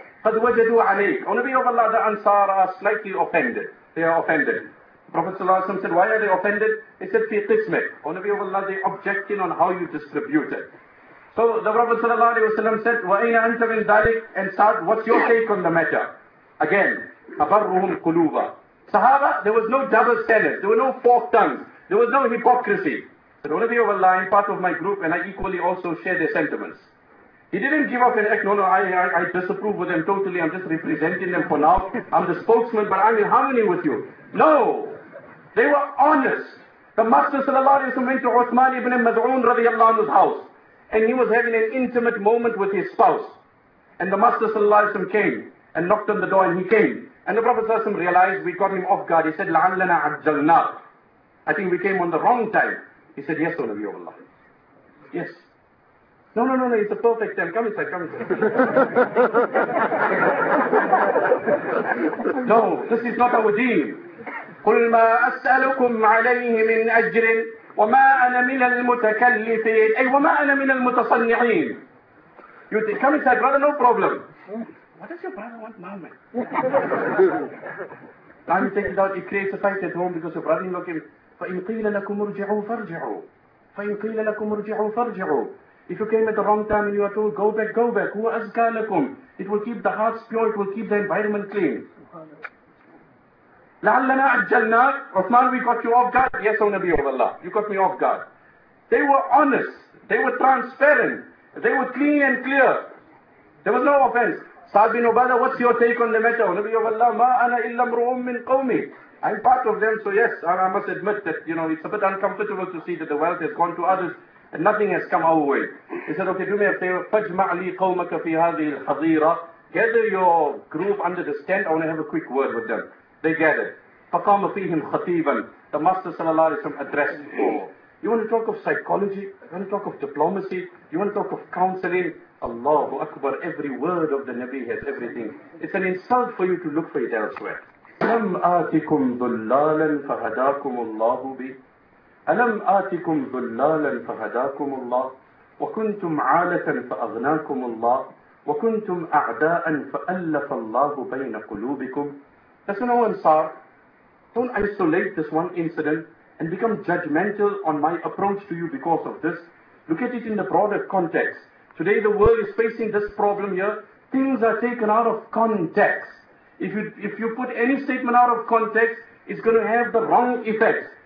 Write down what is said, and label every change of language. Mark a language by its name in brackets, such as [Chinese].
[Arabic] قَدْ وَجَدُوا عَلَيْكَ. [English] O Nabi of Allah, the Ansar are slightly offended. They are offended. Prophet sallallahu alayhi wa sallam said, why are they offended? He said, [Arabic] fi qismik. [English] O Nabi of Allah, they objecting on how you distribute it. So the Prophet sallallahu alayhi wa sallam said, [Arabic] وَأَيْنَ أَنْتَ مِنْ ذَلِكَ. [English] And Sa'd, what's your take on the matter? Again, [Arabic] أَبَرُّهُمْ قُلُوبًا. [English] Sahaba, there was no double standard. There were no forked tongues. There was no hypocrisy. But O Nabi of Allah, I'm part of my group and I equally also share their sentiments. He didn't give up and act, no, I disapprove with them totally. I'm just representing them for now. I'm the spokesman, but I'm in harmony with you. No, they were honest. The Master sallallahu alayhi wa sallam went to Uthman ibn Maz'un radiallahu anhu's house. And he was having an intimate moment with his spouse. And the Master sallallahu alayhi wa sallam came and knocked on the door, and he came. And the Prophet sallallahu alayhi wa sallam realized, we got him off guard. He said, [Arabic] La'allana ajjalna. [English] I think we came on the wrong time. He said, yes, O Nabi of Allah. Yes. No, it's a perfect time. Come inside. No, this is not our deen. [Arabic] قُلْ مَا أَسْأَلُكُمْ عَلَيْهِ مِنْ أَجْرٍ وَمَا أَنَا مِنَ الْمُتَكَلِّفِينَ أي وَمَا أَنَا مِنَ الْمُتَصَنِّعِينَ [English] You come inside, brother, no problem. What does your brother want now, man? Time you take it out, it creates a fight at home because your brother-in-law came. [Arabic] فَإِنْ قِيلَ لَكُمْ ارْجِعُوا فَارْجِعُوا [English] فَإِنْ قِيلَ لَكُمْ ارْجِعُوا فَارْجِعُوا If you came at the wrong time and you are told, go back, [Arabic] هُوَ أَزْكَى لَكُمْ [English] It will keep the hearts pure, it will keep the environment clean. [Arabic] لَعَلَّنَا عَجَّلْنَا [English] Uthman, we got you off guard. Yes, O Nabi of Allah, you got me off guard. They were honest, they were transparent, they were clean and clear. There was no offense. Sa'd bin Ubadah, what's your take on the matter? O Nabi of Allah, [Arabic] مَا أَنَا إِلَّا مْرُؤُمْ مِنْ قَوْمِ [English] I'm part of them, so yes, I must admit that, you know, it's a bit uncomfortable to see that the wealth has gone to others and nothing has come our way. He said, okay, do me a favor, [Arabic] فَجْمَعْ لِي قَوْمَكَ فِي هَذِي الْحَظِيرَةِ [English] Gather your group under this tent, I want to have a quick word with them. They gathered. [Arabic] فَقَامَ فِيهِمْ خَطِيبًا [English] The Master صلى الله عليه وسلم addressed. You want to talk of psychology? You want to talk of diplomacy? You want to talk of counseling? Allahu Akbar, every word of the Nabi has everything. It's an insult for you to look for it elsewhere. [Arabic] أَلَمْ آتِكُمْ ضُلَّالًا فَهَدَاكُمُ اللَّهُ بِهِ أَلَمْ آتِكُمْ ضُلَّالًا فَهَدَاكُمُ اللَّهُ وَكُنْتُمْ عَالَةً فَأَغْنَاكُمُ اللَّهُ وَكُنْتُمْ أَعْدَاءً فَأَلَّفَ اللَّهُ بَيْنَ قُلُوبِكُمْ [English] That's no Ansar. Don't isolate this one incident and become judgmental on my approach to you because of this. Look at it in the broader context. Today the world is facing this problem here. Things are taken out of context. If you put any statement out of context, it's going to have the wrong effects.